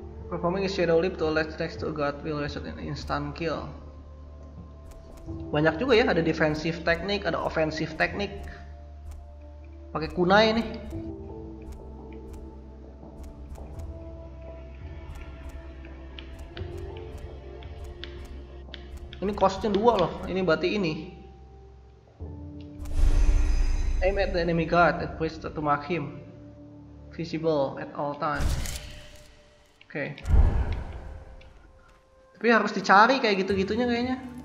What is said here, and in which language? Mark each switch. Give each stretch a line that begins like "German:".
English: Performing a shadow leap to a ledge next to a god will result in instant kill.
Indonesian: Banyak juga ya, ada defensive teknik, ada offensive teknik. Pakai kunai nih. Ini costnya 2 loh, ini berarti ini.
English: Aim at the enemy guard and place that to mark him. Visible at all time. Oke.
Indonesian: Tapi harus dicari kayak gitu-gitunya kayaknya.